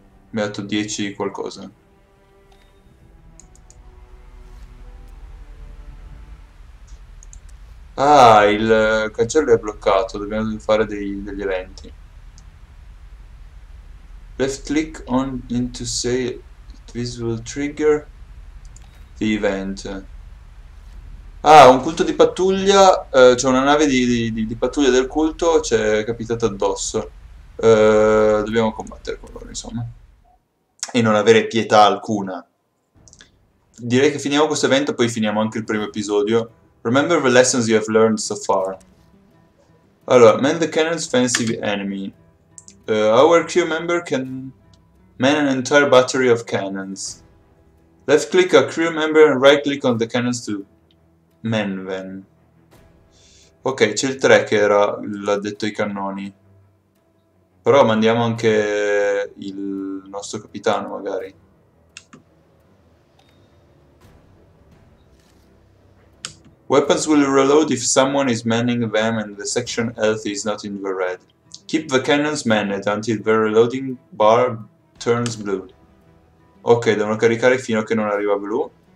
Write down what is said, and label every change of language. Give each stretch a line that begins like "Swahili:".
Italian: Metto 10 qualcosa. Ah, il cancello è bloccato, dobbiamo fare degli eventi.
English: Left click on into say this will trigger the event.
Italian: Ah, un culto di pattuglia, c'è cioè una nave di pattuglia del culto, ci è capitata addosso. Dobbiamo combattere con loro, insomma. E non avere pietà alcuna. Direi che finiamo questo evento, poi finiamo anche il primo episodio.
English: Remember the lessons you have learned so far. Allora, man the cannons, fancy the enemy. Our crew member can man an entire battery of cannons. Left click a crew member and right click on the cannons to man them.
Italian: Ok, c'è il 3 che era l'addetto ai cannoni. Però mandiamo anche il nostro capitano, magari.
English: Weapons will reload if someone is manning them and the section health is not in the red. Keep the cannons manned until the reloading bar turns blue.
Italian: Ok, devono caricare fino a che non arriva blu.